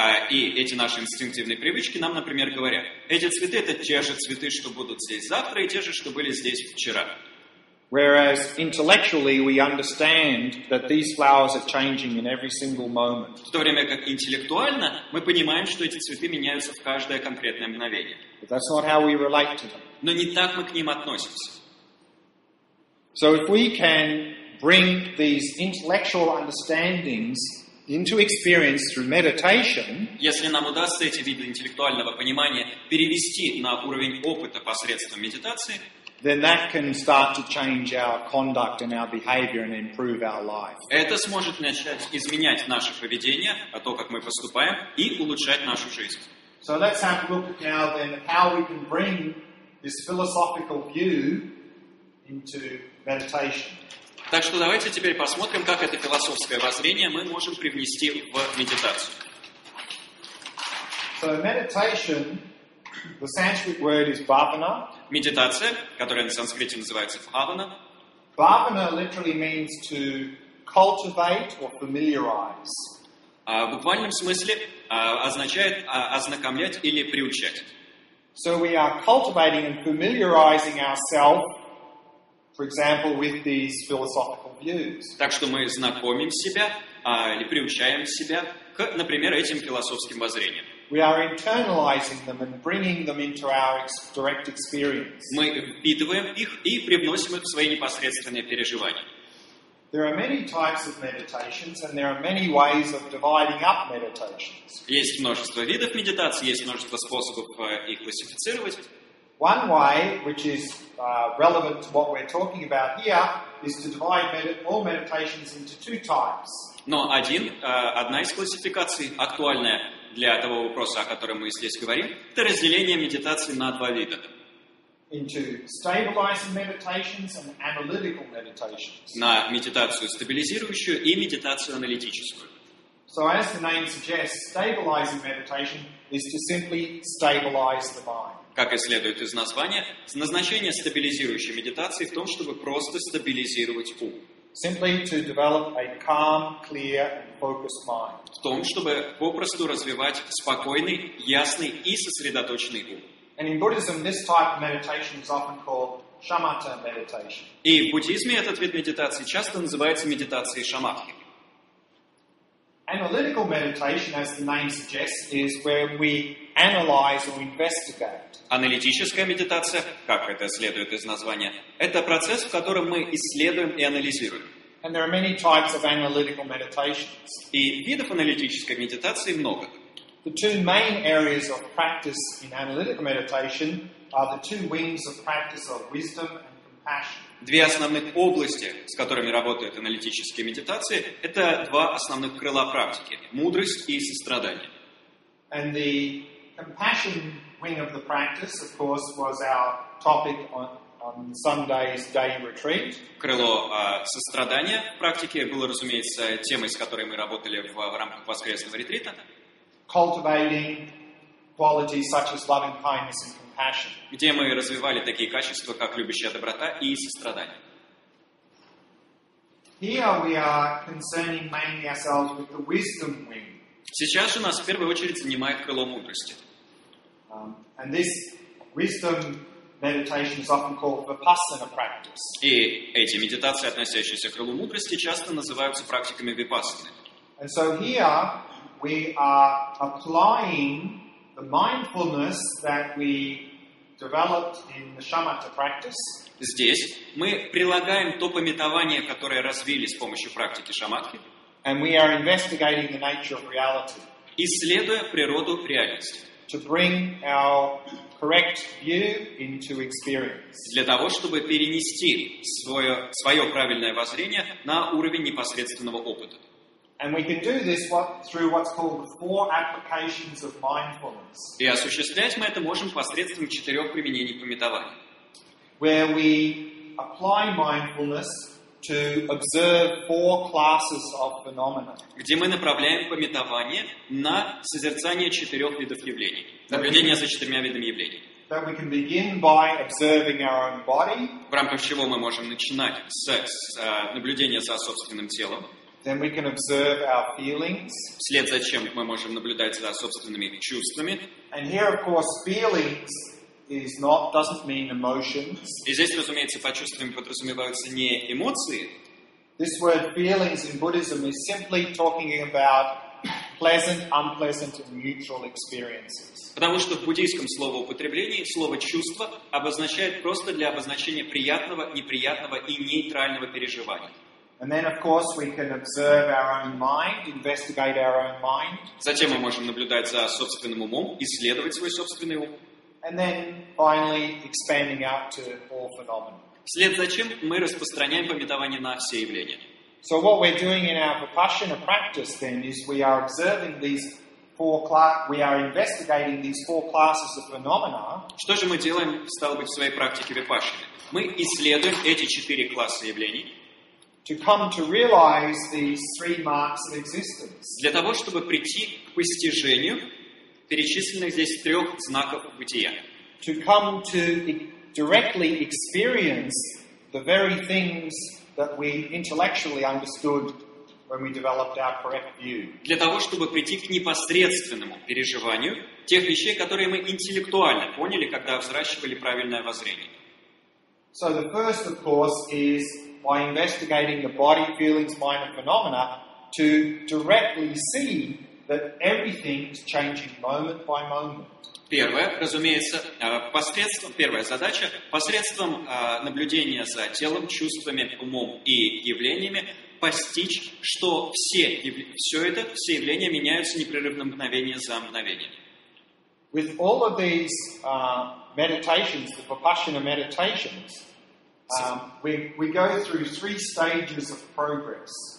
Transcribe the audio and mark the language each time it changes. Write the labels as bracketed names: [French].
[Russian] И эти наши инстинктивные привычки нам, например, говорят, эти цветы — это те же цветы, что будут здесь завтра, и те же, что были здесь вчера. [English] Whereas intellectually we understand that these flowers are changing in every single moment. [Russian] В то время как интеллектуально мы понимаем, что эти цветы меняются в каждое конкретное мгновение. [English] But that's not how we relate to them. [Russian] Но не так мы к ним относимся. [English] So if we can bring these intellectual understandings into experience through meditation, [Russian] если нам удастся эти виды интеллектуального понимания перевести на уровень опыта посредством медитации, [English] then that can start to change our conduct and our behavior and improve our life. [Russian] Это сможет начать изменять наше поведение, а то, как мы поступаем, и улучшать нашу жизнь. [English] So let's have a look now then how we can bring this philosophical view into meditation. [Russian] Так что давайте теперь посмотрим, как это философское воззрение мы можем привнести в медитацию. [English] So meditation, the Sanskrit word is bhavana. [Russian] Медитация, которая на санскрите называется bhavana. [English] Bhavana literally means to cultivate or familiarize. [Russian] В буквальном смысле означает ознакомлять или приучать. [English] So we are cultivating and familiarizing ourselves, for example, with these philosophical views. [Russian] Так что мы знакомим себя или приучаем себя к, например, этим философским воззрениям. [English] We are internalizing them and bringing them into our direct experience. [Russian] Мы впитываем их и привносим их в свои непосредственные переживания. [English] There are many types of meditations, and there are many ways of dividing up meditations. [Russian] Есть множество видов медитации, есть множество способов их классифицировать. [English] One way, which is relevant to what we're talking about here, is to divide all meditations into two types. [Russian] Но одна из классификаций, актуальная для того вопроса, о котором мы здесь говорим, это разделение медитации на два вида. [English] Into stabilizing meditations and analytical meditations. [Russian] На медитацию стабилизирующую и медитацию аналитическую. [English] So as the name suggests, stabilizing meditation is to simply stabilize the mind. [Russian] Как и следует из названия, назначение стабилизирующей медитации в том, чтобы просто стабилизировать ум. [English] Simply to develop a calm, clear, and focused mind. [Russian] В том, чтобы попросту развивать спокойный, ясный и сосредоточенный ум. [English] And in Buddhism, this type of meditation is often called shamatha meditation. [Russian] И в буддизме этот вид медитации часто называется медитацией шаматхи. [English] Analytical meditation, as the name suggests, is where we analyze or investigate. [Russian] Аналитическая медитация, как это следует из названия, это процесс, в котором мы исследуем и анализируем. [English] And there are many types of analytical meditations. [Russian] И видов аналитической медитации много. [English] The two main areas of practice in analytical meditation are the two wings of practice of wisdom and compassion. [Russian] Две основных области, с которыми работают аналитические медитации, это два основных крыла практики — мудрость и сострадание. [English] And the compassion wing of the practice, of course, was our topic on Sunday's day retreat. [Russian] Крыло сострадания в практике было, разумеется, темой, с которой мы работали в рамках воскресного ретрита. [English] Cultivating qualities such as loving kindness and compassion. [Russian] Где мы развивали такие качества, как любящая доброта и сострадание. [English] Here we are concerning mainly ourselves with the wisdom wing. [Russian] Сейчас у нас в первую очередь занимает крыло мудрости. [English] And this Wisdom meditation is often called vipassana practice. [Russian] И эти медитации, относящиеся к крылу мудрости, часто называются практиками випассаны. [English] And so here we are applying the mindfulness that we developed in the shamatha practice. [Russian] Здесь мы прилагаем то памятование, которое развили с помощью практики шаматхи. [English] And we are investigating the nature of reality. [Russian] Исследуя природу реальности. [English] To bring our correct view into experience. [Russian] Для того, чтобы перенести свое правильное воззрение на уровень непосредственного опыта. [English] And we can do this through what's called the four applications of mindfulness. [Russian] И осуществлять мы это можем посредством четырех применений памятования. [English] Where we apply mindfulness to observe four classes of phenomena. [Russian] Где мы направляем памятование на созерцание четырех видов явлений. Наблюдение за четырьмя видами явлений. [English] That we can begin by observing our own body. [Russian] В рамках чего мы можем начинать наблюдение за собственным телом. [English] Then we can observe our feelings. [Russian] Вслед за чем мы можем наблюдать за собственными чувствами. [English] And here, of course, feelings is not doesn't mean emotions. [Russian] И здесь, разумеется, под чувствами подразумеваются не эмоции. [English] This word feelings in Buddhism is simply talking about pleasant, unpleasant, and neutral experiences. [Russian] Потому что в буддийском словоупотреблении слово чувство обозначает просто для обозначения приятного, неприятного и нейтрального переживания. [English] And then, of course, we can observe our own mind, investigate our own mind. [Russian] Затем мы можем наблюдать за собственным умом, исследовать свой собственный ум. [English] And then, finally, expanding out to all phenomena. [Russian] Вслед за чем мы распространяем памятование на все явления. [English] So what we're doing in our vipassana practice then is we are observing these four class, we are investigating these four classes of phenomena. [Russian] Что же мы делаем, стало быть, в своей практике випассаны? Мы исследуем эти четыре класса явлений. [English] To come to realize these three marks of existence. [Russian] Для того, чтобы прийти к постижению перечисленных здесь трех знаков бытия. [English] To come to directly experience the very things that we intellectually understood when we developed our correct view. [Russian] Для того, чтобы прийти к непосредственному переживанию тех вещей, которые мы интеллектуально поняли, когда взращивали правильное воззрение. [English] So the first, of course, is by investigating the body, feelings, mind, and phenomena to directly see that everything is changing moment by moment. [Russian] Первое, разумеется, посредством, первая задача, посредством наблюдения за телом, чувствами, умом и явлениями, постичь, что все явления меняются непрерывно мгновение за мгновение. [English] With all of these meditations, the Vipassana meditations, we go through three stages of progress.